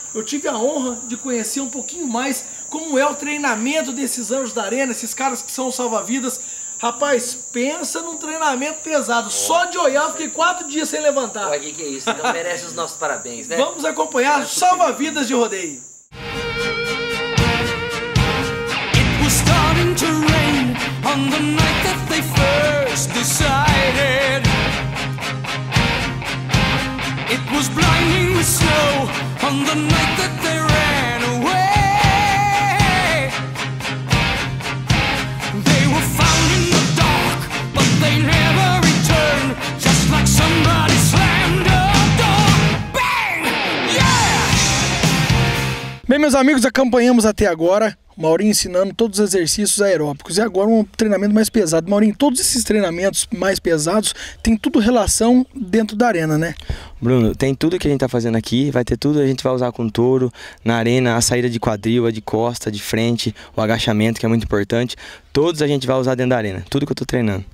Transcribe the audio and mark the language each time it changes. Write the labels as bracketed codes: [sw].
[pt] Eu tive a honra de conhecer um pouquinho mais como é o treinamento desses anjos da arena, esses caras que são salva-vidas. Rapaz, pensa num treinamento pesado. Só de olhar, eu fiquei 4 dias sem levantar. O que é isso? Então merece os nossos parabéns, né? Vamos acompanhar salva-vidas de rodeio. [en] Starting to rain on the night that they first decided. It was blinding with snow on the night that they ran away. They were found in the dark, but they never returned, just like somebody slammed a door. Bang! Yeah! [pt] Bem, meus amigos, acompanhamos até agora Maurinho ensinando todos os exercícios aeróbicos. E agora um treinamento mais pesado. Maurinho, todos esses treinamentos mais pesados têm tudo relação dentro da arena, né? Bruno, tem tudo que a gente tá fazendo aqui, vai ter tudo, a gente vai usar com touro, na arena, a saída de quadril, a de costa, de frente, o agachamento, que é muito importante, todos a gente vai usar dentro da arena, tudo que eu tô treinando.